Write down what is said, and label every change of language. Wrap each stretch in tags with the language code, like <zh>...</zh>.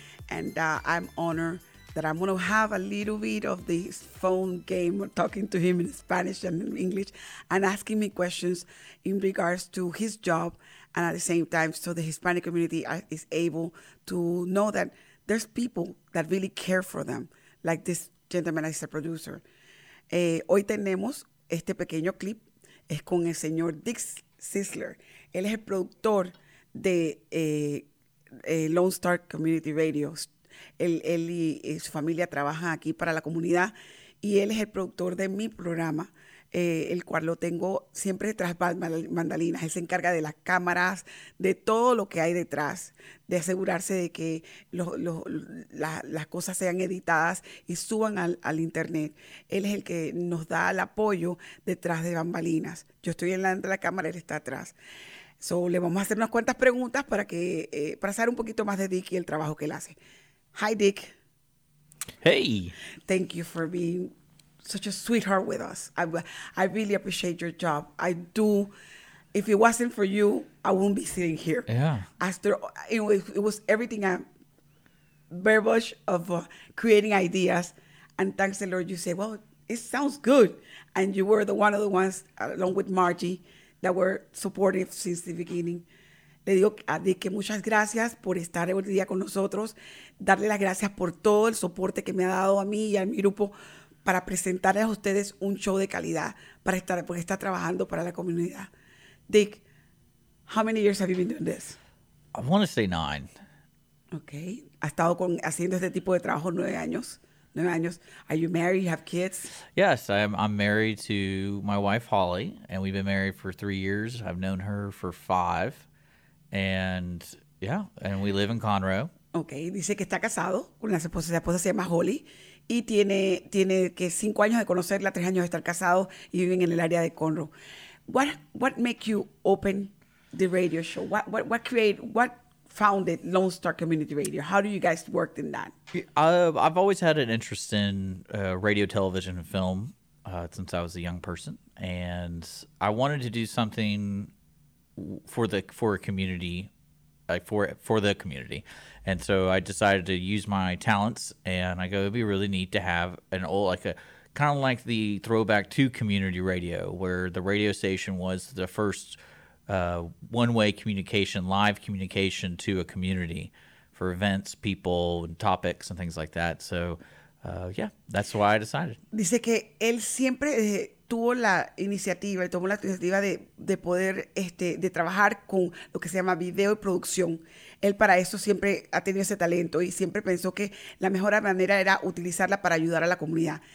<en>And I'm honored that I'm going to have a little bit of this phone game, talking to him in Spanish and in English, and asking me questions in regards to his job, and at the same time, so the Hispanic community is able to know that there's people that really care for them, like this gentleman is a producer.</en> <es>Hoy tenemos este pequeño clip, es con el señor Dick Schissler. Él es el productor de Lone Star Community Radio. Él y su familia trabajan aquí para la comunidad y él es el productor de mi programa, el cual lo tengo siempre tras mandalinas. Él se encarga de las cámaras, de todo lo que hay detrás, de asegurarse de que las cosas sean editadas y suban al internet. Él es el que nos da el apoyo detrás de bambalinas. Yo estoy delante de la cámara, él está atrás. So, le vamos a hacer unas cuantas preguntas para saber un poquito más de Dick y el trabajo que él hace.</es> <en>Hi, Dick. Hey. Thank you for being such a sweetheart with us. I really appreciate your job. I do. If it wasn't for you, I wouldn't be sitting here. Yeah. After it was everything a verbiage of creating ideas. And thanks the Lord, you say, well, it sounds good. And you were one of the ones, along with Margie, that were supportive since the beginning.</en> <es>Le digo que muchas gracias por estar hoy día con nosotros. Darle las gracias por todo el soporte que me ha dado a mí y a mi grupo para presentarles a ustedes un show de calidad, para estar, pues, estar trabajando para la comunidad.</es> <en>Dick, how many years have you been doing this? I want to say 9. Okay.</en> <es>Ha estado con, haciendo este tipo de trabajo 9 años. 9 años.</es> <en>Are you married? You have kids? Yes, I'm married to my wife, Holly, and we've been married for 3 years. I've known her for 5. And, yeah, and we live in Conroe.</en> <es>Okay. Dice que está casado con su esposa se llama Holly. Y tiene que 5 años de conocerla, 3 años de estar casado y viven en el área de Conroe.</es> <en>What make you open the radio show? What founded Lone Star Community Radio? How do you guys work in that? I've always had an interest in radio, television, and film since I was a young person. And I wanted to do something for the community. And so I decided to use my talents, and I go, it'd be really neat to have an old, like a kind of like the throwback to community radio, where the radio station was the first one-way communication, live communication to a community for events, people, and topics and things like that. So, yeah, that's why I decided.</en> <es>Dice que él siempre tuvo la iniciativa, tomó la iniciativa de poder de trabajar con lo que se llama video y producción. Él para eso siempre ha tenido ese talento y siempre pensó que la mejor manera era utilizarla para ayudar a la comunidad.</es>